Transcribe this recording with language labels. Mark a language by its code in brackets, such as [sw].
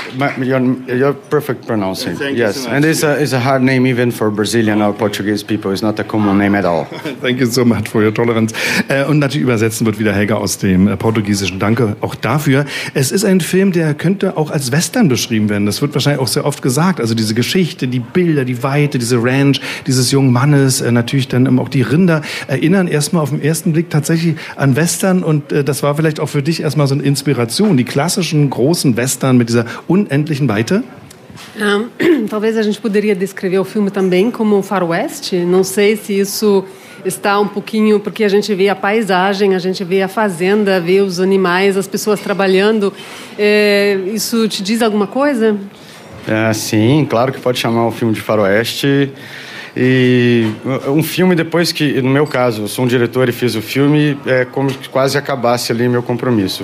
[en] You're perfect pronouncing. Yes. Thank you so much. And it's a hard name even for Brazilian or Portuguese people. It's not a common name at all. Thank you so much for your tolerance. [de] Und natürlich übersetzen wird wieder Helga aus dem Portugiesischen. Danke auch dafür. Es ist ein Film, der könnte auch als Western beschrieben werden. Das wird wahrscheinlich auch sehr oft gesagt. Also diese Geschichte, die Bilder, die Weite, diese Ranch, dieses jungen Mannes, natürlich dann auch die Rinder, erinnern erstmal auf den ersten Blick tatsächlich an Western. Und das war vielleicht auch für dich erstmal so eine Inspiration, die klassischen großen Western mit dieser unendlichen Weite. [pt] Talvez a gente poderia descrever o filme também como Far West. Não sei se isso está um pouquinho, porque a gente vê a paisagem, a gente vê a fazenda, vê os animais, as pessoas trabalhando. Isso te diz alguma coisa? Sim, claro que pode chamar o filme de Far West. E um filme depois que, no meu caso, eu sou um diretor e fiz o filme, é como se quase acabasse ali meu compromisso.